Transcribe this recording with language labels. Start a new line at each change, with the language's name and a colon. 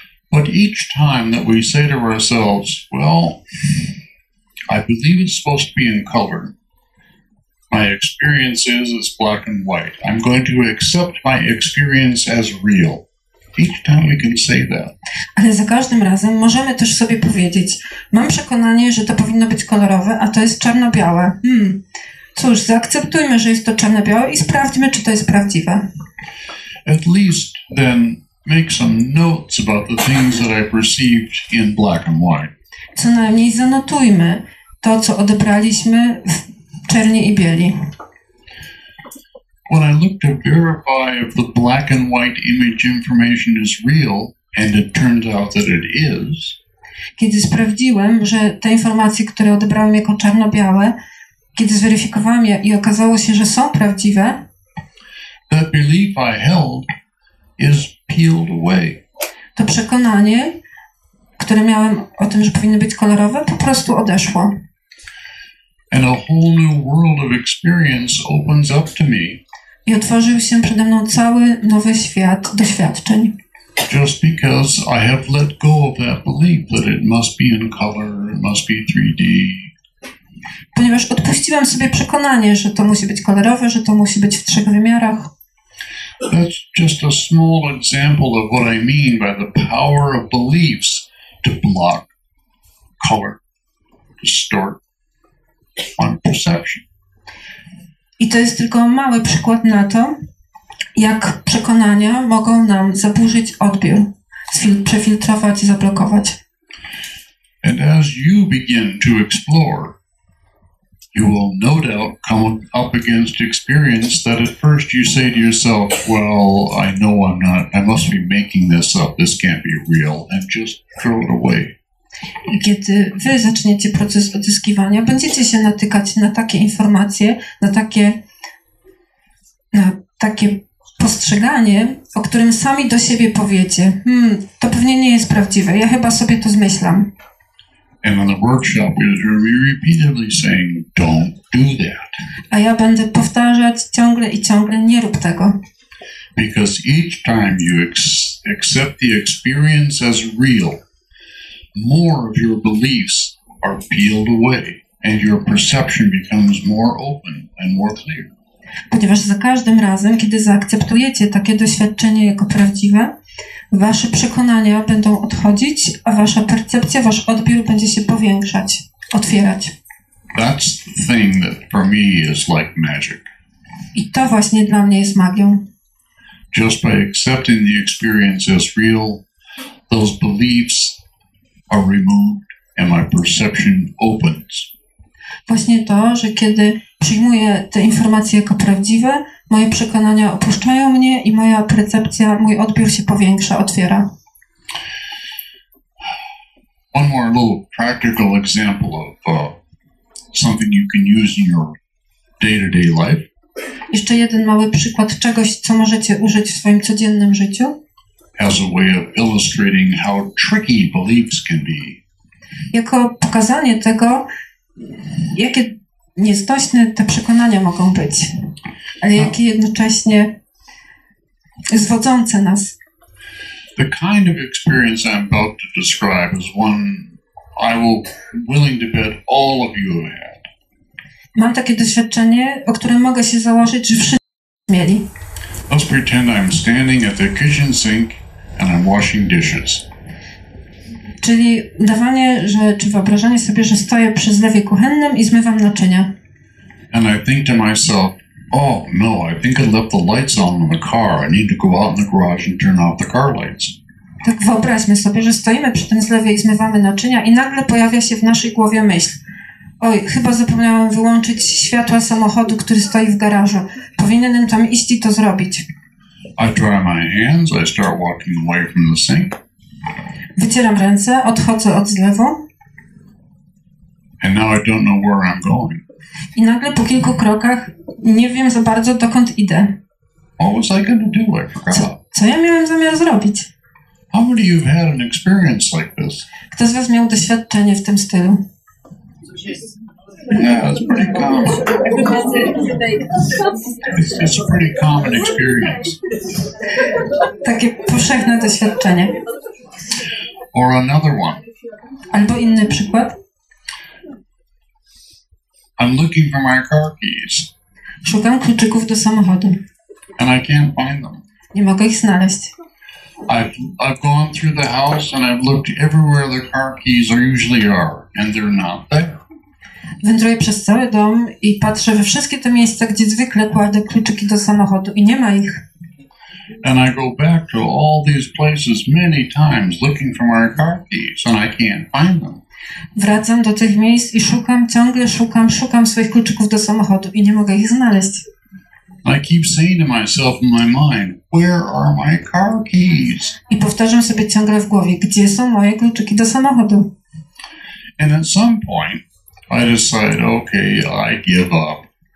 English: But each time that we say to ourselves, well, I believe it's supposed to be in color. My experience is it's black and white. I'm going to accept my experience as real. Each time we can say that.
Polish: Ale za każdym razem możemy też sobie powiedzieć, mam przekonanie, że to powinno być kolorowe, a to jest czarno-białe. Cóż, zaakceptujmy, że jest to czarno-białe i sprawdźmy, czy to jest prawdziwe.
English: At least then make some notes about the things that I perceived in black and white.
Polish: Co najmniej zanotujmy to, co odebraliśmy w czerni i bieli.
English: When I looked to verify if the black and white image information is real, and it turns out that it is.
Polish: Kiedy sprawdziłem, że te informacje, które odebrałem jako czarno-białe, kiedy zweryfikowałem je i okazało się, że są prawdziwe.
English: That belief I held is peeled away.
Polish: To przekonanie, które miałem o tym, że powinny być kolorowe, po prostu odeszło.
English: And a whole new world of experience opens up to me.
Polish: I otworzył się przede mną cały nowy świat doświadczeń.
English: Just because I have let go of that belief that it must be in color, it must be 3D.
Polish: Ponieważ odpuściłem sobie przekonanie, że to musi być kolorowe, że to musi być w trzech wymiarach.
English: That's just a small example of what I mean by the power of beliefs to block color, distort one perception.
Polish: I to jest tylko mały przykład na to, jak przekonania mogą nam zaburzyć odbiór, przefiltrować i zablokować.
English: And as you begin to explore, you will no doubt come up against experience that at first you say to yourself, well, I know I'm not, I must be making this up, this can't be real, and just throw it away.
Polish: Kiedy wy zaczniecie proces odzyskiwania, będziecie się natykać na takie informacje, na takie postrzeganie, o którym sami do siebie powiecie, to pewnie nie jest prawdziwe, ja chyba sobie to zmyślam.
English: And on the workshop is where we repeatedly saying, don't do that.
Polish: A ja będę powtarzać ciągle i ciągle, nie rób tego.
English: Because each time you accept the experience as real, more of your beliefs are peeled away and your perception becomes more open and more clear.
Polish: Ponieważ za każdym razem, kiedy zaakceptujecie takie doświadczenie jako prawdziwe, wasze przekonania będą odchodzić, a wasza percepcja, wasz odbiór będzie się powiększać, otwierać.
English: That's the thing that for me is like magic.
Polish: I to właśnie dla mnie jest magią.
English: Just by accepting the experience as real, those beliefs are removed and my perception opens.
Polish: Właśnie to, że kiedy przyjmuję te informacje jako prawdziwe, moje przekonania opuszczają mnie i moja percepcja, mój odbiór się powiększa, otwiera.
English: One more little practical example of something you can use in your day-to-day life.
Polish: Jeszcze jeden mały przykład czegoś, co możecie użyć w swoim codziennym życiu.
English: As a way of illustrating how tricky beliefs can be.
Polish: Jako pokazanie tego, jakie niezdośne te przekonania mogą być, ale jakie jednocześnie zwodzące nas.
English: The kind of experience I'm about to describe is one I will willing to bet all of you have had.
Polish: Mam takie doświadczenie, o którym mogę się założyć, że wszyscy mieli.
English: Let's pretend I'm standing at the kitchen sink and I'm washing dishes.
Polish: Czyli dawanie, że, czy wyobrażanie sobie, że stoję przy zlewie kuchennym i zmywam naczynia.
English: And I think to myself, oh no, I think I left the lights on in the car. I need to go out in the garage and turn off the car lights.
Polish: Tak wyobraźmy sobie, że stoimy przy tym zlewie i zmywamy naczynia i nagle pojawia się w naszej głowie myśl. Oj, chyba zapomniałam wyłączyć światła samochodu, który stoi w garażu. Powinienem tam iść i to zrobić.
English: I dry my hands, I start walking away from the sink.
Polish: Wycieram ręce, odchodzę od zlewu.
English: And now I don't know where I'm going.
Polish: I nagle po kilku krokach nie wiem za bardzo, dokąd idę.
English: What was I gonna do? I forgot.
Polish: Co ja miałem zamiar zrobić?
English: How many of you had an experience like this?
Polish: Kto z was miał doświadczenie w tym stylu?
English: Yeah, it's pretty common. It's a pretty common experience.
Polish: Takie powszechne doświadczenie.
English: Or another one.
Polish: Albo inny przykład.
English: I'm looking for my car keys.
Polish: Szukam kluczyków do samochodu.
English: And I can't find them.
Polish: Nie mogę ich znaleźć.
English: I've gone through the house and I've looked everywhere the car keys are usually are, and they're not there.
Polish: Wędruję przez cały dom i patrzę we wszystkie te miejsca, gdzie zwykle kładę kluczyki do samochodu i nie ma ich.
English: And I go back to all these places many times looking for my car keys and I can't find them.
Polish: Wracam do tych miejsc i szukam, ciągle szukam, szukam swoich kluczyków do samochodu i nie mogę ich znaleźć.
English: I keep saying to myself in my mind, where are my car keys?
Polish: I powtarzam sobie ciągle w głowie, gdzie są moje kluczyki do samochodu.
English: And at some point I decide, okay, I give up.